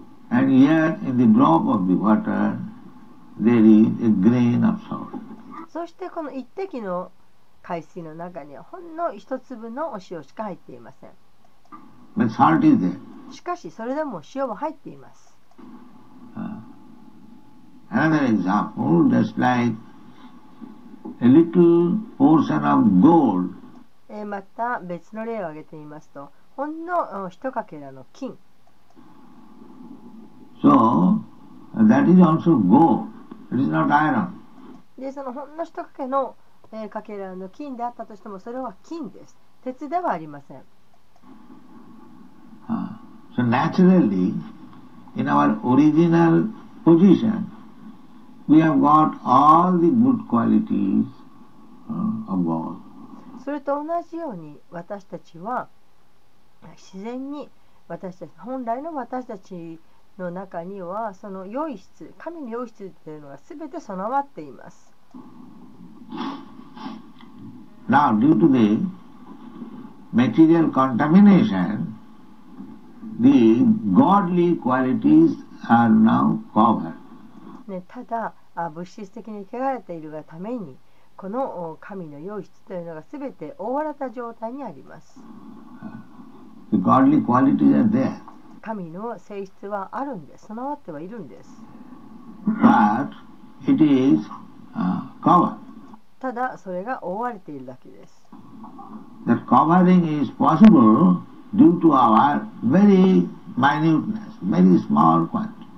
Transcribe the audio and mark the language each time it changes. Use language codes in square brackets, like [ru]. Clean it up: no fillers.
[en] And yet, in the drop of the water, there is a grain of salt. [ja] そしてこの一滴の海水の中にはほんの一粒のお塩しか入っていません。 [en] But salt is there. [ja] しかしそれでも塩は入っています。 [en] Another example, just like a little portion of gold. [ja] また別の例を挙げてみますと、ほんの一かけらの金。 [en] So, that is also gold. It is not iron. [ja] で、そのほんの一かけのかけらの金であったとしてもそれは金です。鉄ではありません。 [en] So naturally, in our original position, we have got all the good qualities of God. [ja] それと同じように私たちは自然に私たち本来の私たちの中にはその良い質、神の良い質というのが全て備わっています。 [en] Now due to the material contamination, the godly qualities are now covered、 [ja] ね、ただ物質的に汚れているがためにこの神の良い質というのが全て覆われた状態にあります。 [en] The godly qualities are there. [ja] 神の性質はあるんで、備わってはいるんです。 [en] But it is covered. [ja] ただそれが覆われているだけです。 [en] The covering is possible due to our very minuteness, very small quantity.